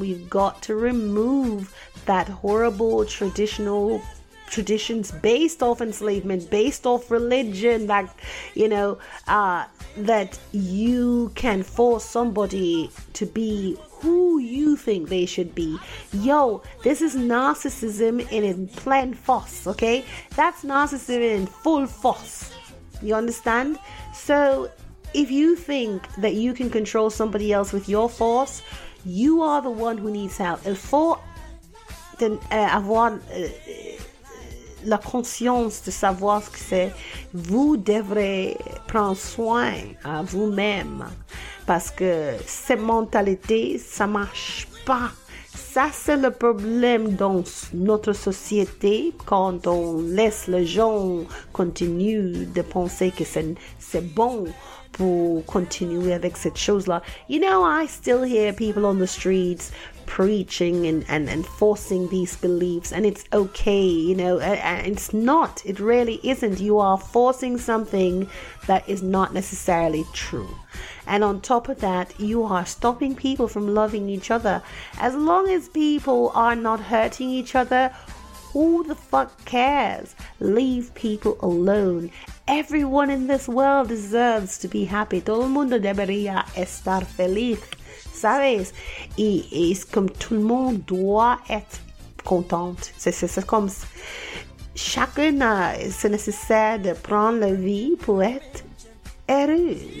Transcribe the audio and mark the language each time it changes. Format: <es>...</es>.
<en>We've got to remove that horrible traditional traditions based off enslavement, based off religion, that you know, that you can force somebody to be who you think they should be. Yo, this is narcissism in plein force, okay? That's narcissism in full force. You understand? So if you think that you can control somebody else with your force, you are the one who needs help.</en> <fr>Il faut avoir la conscience de savoir ce que c'est. Vous devrez prendre soin à vous-même. Parce que cette mentalité, ça marche pas. Ça, c'est le problème dans notre société quand on laisse les gens continuer de penser que c'est bon pour continuer avec cette chose-là.</fr> <en>You know, I still hear people on the streets preaching and enforcing these beliefs, and it's okay, you know, it's not. It really isn't. You are forcing something that is not necessarily true. And on top of that, you are stopping people from loving each other. As long as people are not hurting each other, who the fuck cares? Leave people alone. Everyone in this world deserves to be happy.</en> <es>Todo el mundo debería estar feliz, ¿sabes? Y es como todo el mundo</es> <fr>doit être contente. C'est comme chacun a, c'est nécessaire de prendre la vie pour être heureux.</fr>